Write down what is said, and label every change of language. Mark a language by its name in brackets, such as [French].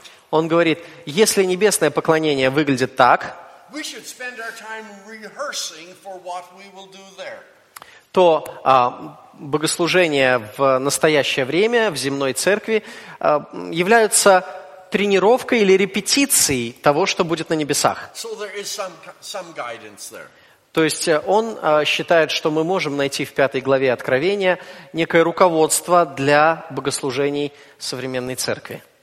[Russian] Он говорит, если небесное поклонение выглядит так, мы должны потратить свое время на то, что мы будем делать там. То богослужения в настоящее время в земной церкви являются тренировкой или репетицией того, что будет на небесах. [English] So there is some guidance there. [Russian] То есть он считает, что мы можем найти в пятой главе Откровения некое руководство для богослужений современной церкви.